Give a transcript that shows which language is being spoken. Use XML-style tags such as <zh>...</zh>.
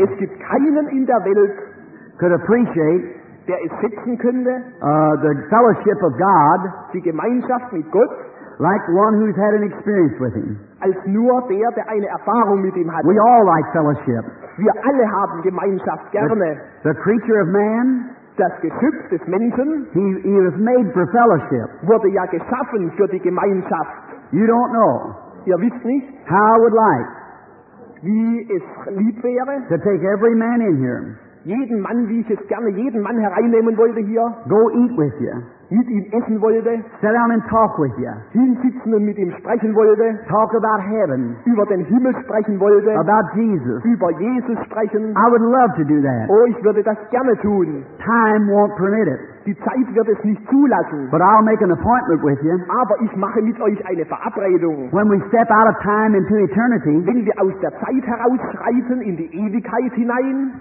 <de>Es gibt keinen in der Welt.</de> <en>Could appreciate.</en> <de>Der es schätzen könnte.</de> <en>The fellowship of God.</en> <de>Die Gemeinschaft mit Gott.</de> <en>Like one who's had an experience with him.</en> <de>Als nur der, der eine Erfahrung mit ihm hat.</de> <en>We all like fellowship.</en> <de>Wir alle haben Gemeinschaft gerne.</de> <en>The creature of man.</en> <de>Das Geschöpf des Menschen,</de> <en>he was made for fellowship.</en> <de>Wurde ja geschaffen für die Gemeinschaft.</de> <en>You don't know.</en> <de>Ihr wisst nicht.</de> <en>How I would like.</en> <de>Wie es lieb wäre.</de> <en>To take every man in here.</en> <de>Jeden Mann, wie ich es gerne jeden Mann hereinnehmen wollte hier.</de> <en>Go eat with you.</en> <de>mit ihm essen wollte,</de> <en>sit down and talk with you.</en> <de>Hinsitzen und mit ihm sprechen wollte,</de> <en>talk about heaven.</en> <de>Über den Himmel sprechen wollte,</de> <en>about Jesus.</en> <de>Über Jesus sprechen.</de> <en>I would love to do that.</en> <de>Oh, ich würde das gerne tun.</de> <en>Time won't permit it.</en> <de>Die Zeit wird es nicht zulassen.</de> <en>But I'll make an appointment with you.</en> <de>Aber ich mache mit euch eine Verabredung.</de> <en>When we step out of time into eternity,</en> <de>wenn wir aus der Zeit herausschreiten in die Ewigkeit hinein,</de>